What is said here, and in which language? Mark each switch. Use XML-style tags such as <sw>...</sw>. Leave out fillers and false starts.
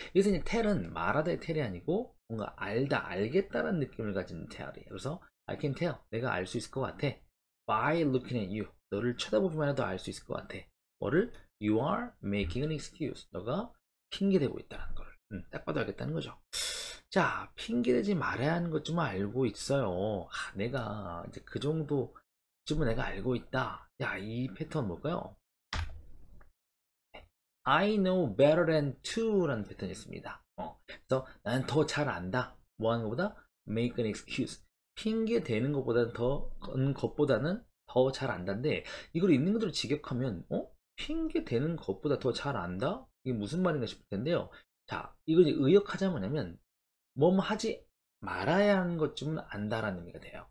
<ko>여기서 이제 tell은 말하다의 tell이 아니고 뭔가 알다, 알겠다라는 느낌을 가진 tell이에요. 그래서 I can tell, 내가 알수 있을 것 같아.</ko> <en>By looking at you,</en> <ko>너를 쳐다보기만 해도 알수 있을 것 같아. 뭐를?</ko> <en>You are making an excuse.</en> <ko>너가 핑계대고 있다는 걸. 딱 봐도 알겠다는 거죠. 자, 핑계대지 말아야 하는 것좀 알고 있어요. 내가 이제 그 정도 지금은 내가 알고 있다. 야, 이 패턴 뭘까요?</ko> <en>I know better than to라는</en> <ko>패턴이 있습니다. 그래서 나는 더잘 안다. 뭐 하는 것보다</ko> <en>make an excuse.</en> <ko>핑계 대는 것보다는 더, 것보다는 더잘 안다인데, 이걸 있는 그대로 직역하면 핑계 대는 것보다 더잘 안다? 이게 무슨 말인가 싶을 텐데요. 자, 이걸 이제 의역하자 뭐냐면 뭐뭐 하지 말아야 하는 것쯤은 안다라는 의미가 돼요.</ko>